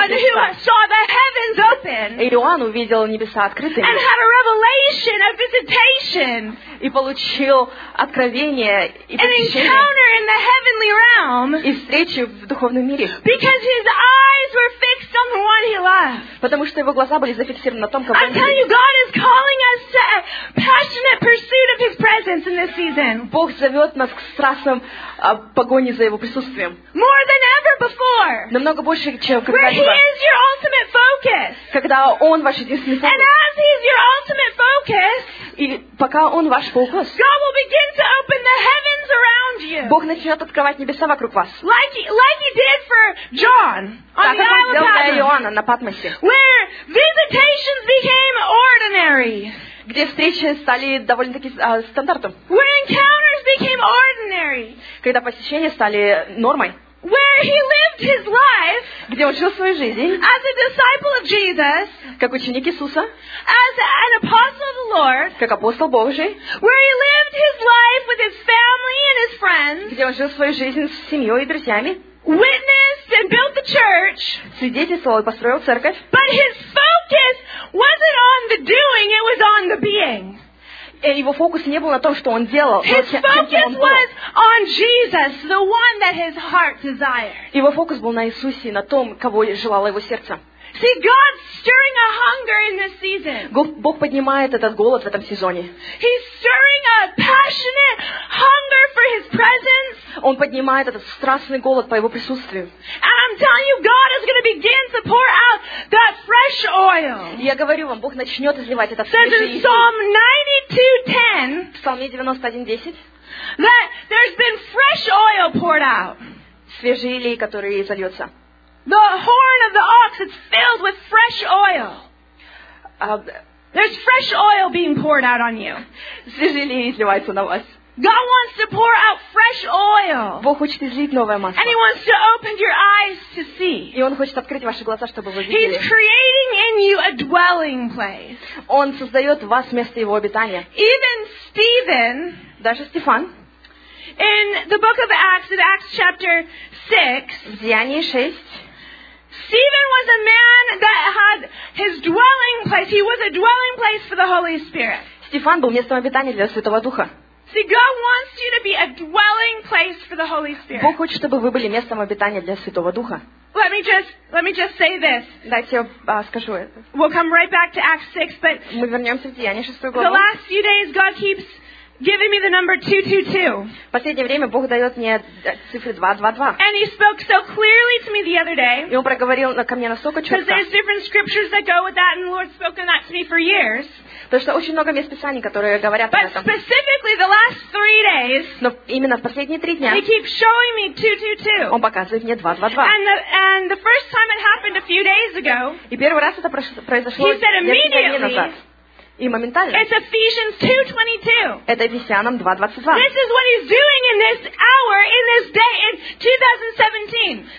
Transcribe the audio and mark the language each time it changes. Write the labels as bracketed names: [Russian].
[English] It was John who saw the heavens open. [Russian] И Иоанн увидел небеса открытыми. [English] And had a revelation, a visitation. [Russian] И получил откровение и посещение. [English] An encounter in the heavenly realm. [Russian] И встречу в духовном мире. [English] Because his eyes were fixed on the one he loved. [Russian] Потому что его глаза были зафиксированы на том, кого он любит. [English] I tell you, God is calling us to a passionate pursuit of His presence in this season. [Russian] Бог зовет нас к страстным погоне за Его присутствием. [English] More than ever before. [Russian] Намного больше, чем когда-либо. [English] Where He is your ultimate focus. [Russian] Когда Он ваш единственный фокус. [English] And as He is your ultimate focus. [Russian] И пока Он ваш фокус. [English] God will begin to open the heavens around you. [Russian] Бог начнет открывать небеса вокруг вас. [English] Like He did for John on the island of Patmos. [Russian] Иоанна на Патмосе. [English] Where visitations became ordinary. [Russian] Где встречи стали довольно-таки стандартом. [English] Where encounters became ordinary. [Russian] Когда посещения стали нормой. [English] Where he lived his life. [Russian] Где он жил свою жизнь. [English] As a disciple of Jesus. [Russian] Как ученик Иисуса. [English] As an apostle of the Lord. [Russian] Как апостол Божий. [English] Where he lived his life with his family and his friends. [Russian] Где он жил свою жизнь с семьей и друзьями. [English] Witnessed and built the church. [Russian] Свидетельствовал и построил церковь. [English] But his focus wasn't on the doing, it was on the being. [Russian] Его фокус не был на том, что он делал. [English] His focus was on Jesus, the one that his heart desired. [Russian] Его фокус был на Иисусе, на том, кого желало его сердце. [English] See, God's stirring a hunger in this season. [Russian] Бог поднимает этот голод в этом сезоне. [English] He's stirring a passionate hunger for His presence. [Russian] Он поднимает этот страстный голод по Его присутствию. [English] And I'm telling you, God is going to begin to pour out that fresh oil. [Russian] Я говорю вам, Бог начнет изливать этот свежий. [English] Says in Psalm 92:10. [Russian] В Псалме 91:10. [English] That there's been fresh oil poured out. [Russian] Свежий лей, который зальется. [English] The horn of the ox is filled with fresh oil. There's fresh oil being poured out on you. [Russian] Свежий лей изливается на вас. [English] God wants to pour out fresh oil. [Russian] Бог хочет излить новое масло. [English] And He wants to open your eyes to see. [Russian] И Он хочет открыть ваши глаза, чтобы вы видели. [English] He's creating in you a dwelling place. [Russian] Он создает в вас место Его обитания. [English] Even Stephen. [Russian] Даже Стефан. [English] In the book of Acts, in Acts chapter 6, [Russian] Деяния 6, [English] Stephen was a man that had his dwelling place. He was a dwelling place for the Holy Spirit. [Russian] Стефан был местом обитания для Святого Духа. [English] See, God wants you to be a dwelling place for the Holy Spirit. [Russian] Бог хочет, чтобы вы были местом обитания для Святого Духа. [English] Let me just say this. [Russian] Дайте я скажу это. [English] We'll come right back to Acts 6, but [Russian] мы вернемся в Деяния 6 главу. [English] The last few days, God keeps giving me the number 222. [Russian] В последнее время Бог дает мне цифры 222. [English] And He spoke so clearly to me the other day. [Russian] И Он проговорил ко мне настолько четко. [English] Because there's different scriptures that go with that, and the Lord's spoken that to me for years. [Russian] Потому что очень много мест Писаний, которые говорят об этом. [English] But specifically the last three days. [Russian] Но именно в последние три дня. [English] He keeps showing me 222. [Russian] Он показывает мне 222. [English] And the first time it happened a few days ago. [Russian] И первый раз это произошло несколько дней назад. И моментально. [English] It's Ephesians 2:22. [Russian] Это Ефесянам 2:22. [English] This is what he's doing in this hour, in this day, in 2017.